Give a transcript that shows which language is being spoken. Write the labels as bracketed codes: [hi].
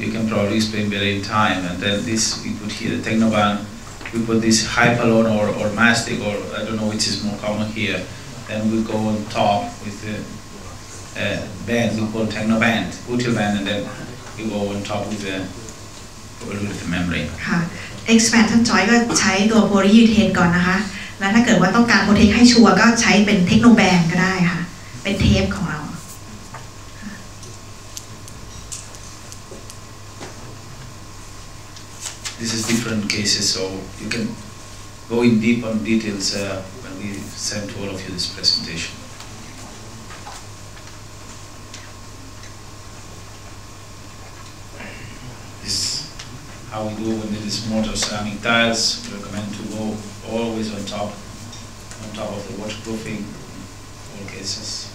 [en] You can probably explain better in time. And then this, we put here the Technoban, we put this Hypalon or Mastic, or I don't know which is more common here. Then we go on top with the band, we call Technoband, util band, and then we go on top with the membrane. Expansion joint, [th] ก็ใช้ตัว polyurethane ก่อนนะคะแล้วถ้าเกิดว่าต้องการโปรเทคให้ชัวร์ก็ใช้เป็นเทคโนแบนก็ได้ค่ะเป็นเทปของเรา [en] ค่ะ This is different cases so you can go in deep on details when we send to all of you this presentation This is how we do when it is mortar ceramic tiles we recommend to go always on top of the waterproofing in all cases.